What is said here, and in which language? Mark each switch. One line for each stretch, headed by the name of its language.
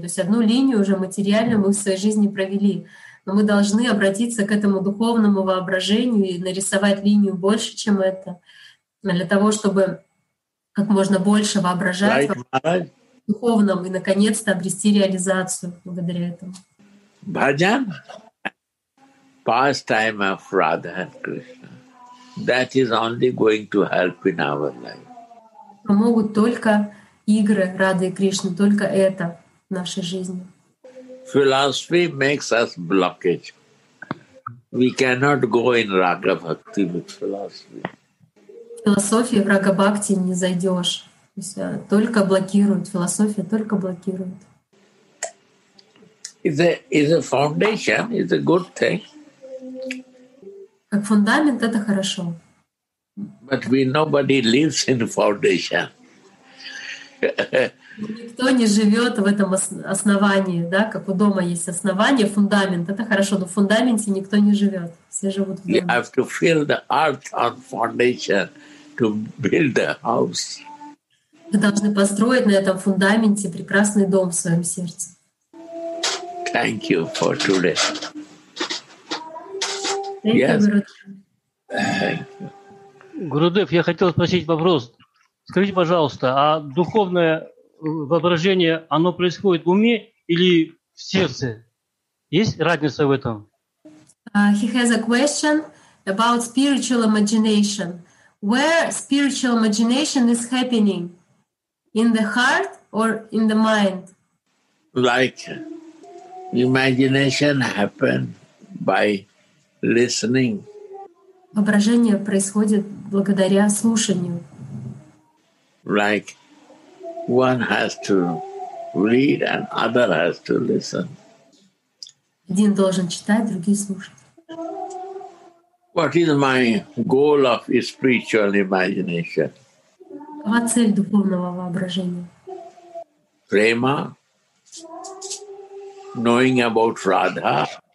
Russian: То есть одну линию уже материально мы в своей жизни провели. Но мы должны обратиться к этому духовному воображению и нарисовать линию больше, чем это, для того, чтобы как можно больше воображать в духовном и, наконец-то, обрести реализацию благодаря этому.
English: Bhajan, pastime of Radha and Krishna, that is only going to help in our life.
Russian: Помогут только игры Рады и Кришны, только это в нашей жизни.
English: Philosophy makes us blockage. We cannot go in raga bhakti with philosophy.
Russian: Философия в рага бхакти не зайдешь. Только блокирует. Философия только блокирует.
English: Is a foundation, is a good thing.
Russian: Как фундамент это хорошо.
English: But nobody lives in foundation.
Russian: Никто не живет в этом основании, да, как у дома есть основание, фундамент. Это хорошо, но в фундаменте никто не живет. Все живут в доме.
English: You have to fill the earth on foundation to build a house.
Russian: Вы должны построить на этом фундаменте прекрасный дом в своем сердце.
English: Thank you for today. Thank yes. You,
Russian: Гурудев, я хотел спросить вопрос. Скажите, пожалуйста, а духовное воображение, оно происходит в уме или в сердце? Есть разница в этом?
English: He has a question about spiritual imagination. Where spiritual imagination is happening? In the heart or in the mind? Like imagination happens by listening.
Russian: Воображение происходит благодаря слушанию.
English: Like one has to read and other has to listen.
Russian: Один должен читать, другие слушать.
English: What is my goal of spiritual imagination?
Russian: Какова цель духовного воображения?
English: Prema, knowing about Radha.